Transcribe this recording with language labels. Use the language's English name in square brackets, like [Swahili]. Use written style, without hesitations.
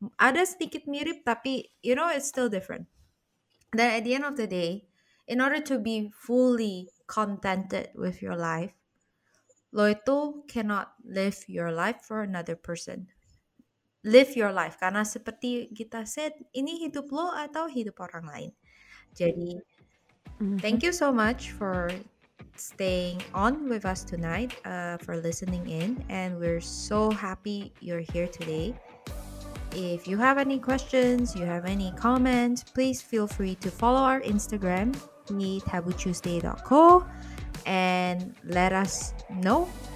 [Indonesian] Ada sedikit mirip, tapi [English] you know it's still different. Then at the end of the day, in order to be fully contented with your life, [Indonesian] lo itu [English] cannot live your life for another person. Live your life, [Indonesian] karena seperti kita said, ini hidup lo atau hidup orang lain. [English] Jadi, thank you so much for staying on with us tonight, for listening in, and we're so happy you're here today. If you have any questions, you have any comments, please feel free to follow our Instagram, taboo-tuesday.co, and let us know.